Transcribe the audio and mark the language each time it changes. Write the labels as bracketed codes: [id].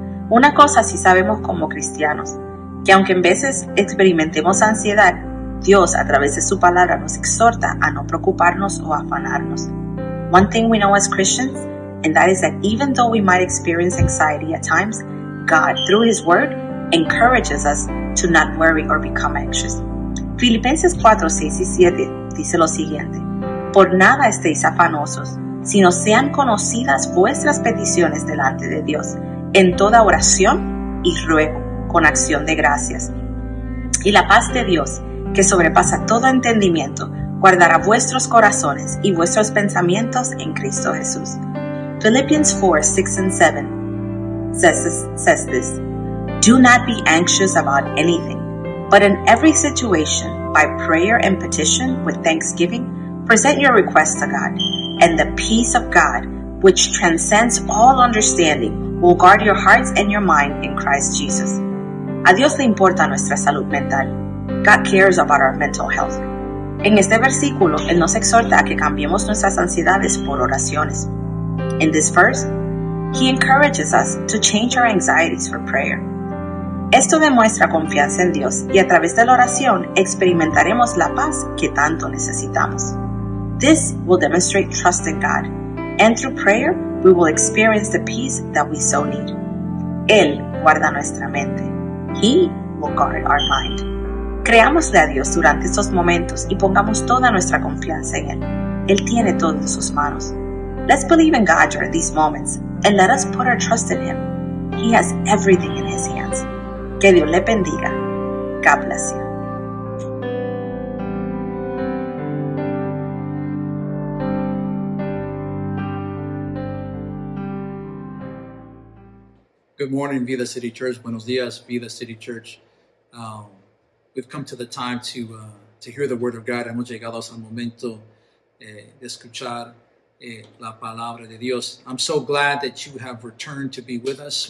[es] Una cosa sí sabemos como cristianos, que aunque en veces experimentemos ansiedad, Dios a través de su palabra nos exhorta a no preocuparnos o afanarnos. [en] One thing we know as Christians, and that is that even though we might experience anxiety at times, God, through His Word, encourages us to not worry or become anxious. [es] Filipenses 4, 6 y 7 dice lo siguiente: Por nada estéis afanosos, sino sean conocidas vuestras peticiones delante de Dios, en toda oración y ruego, con acción de gracias. Y la paz de Dios, que sobrepasa todo entendimiento, guardará vuestros corazones y vuestros pensamientos en Cristo Jesús. [en] Philippians 4, 6 and 7 says this: Do not be anxious about anything, but in every situation, by prayer and petition with thanksgiving, present your requests to God, and the peace of God, which transcends all understanding, will guard your hearts and your mind in Christ Jesus. [es] A Dios le importa nuestra salud mental. [en] God cares about our mental health. [es] En este versículo, Él nos exhorta a que cambiemos nuestras ansiedades por oraciones. [en] In this verse, He encourages us to change our anxieties for prayer. [es] Esto demuestra confianza en Dios y a través de la oración experimentaremos la paz que tanto necesitamos. [en] This will demonstrate trust in God, and through prayer, we will experience the peace that we so need. [es] Él guarda nuestra mente. [en] He will guard our mind. [es] Creámosle a Dios durante estos momentos y pongamos toda nuestra confianza en Él. Él tiene todo en sus manos. [en] Let's believe in God during these moments and let us put our trust in Him. He has everything in His hands. [es] Que Dios le bendiga. [en] God bless you. Good morning, Vida City Church. [es] Buenos días, [en] Vida City Church. We've come to the time to hear the Word of God. [es] Hemos llegado al momento de escuchar la palabra de Dios. [en] I'm so glad that you have returned to be with us.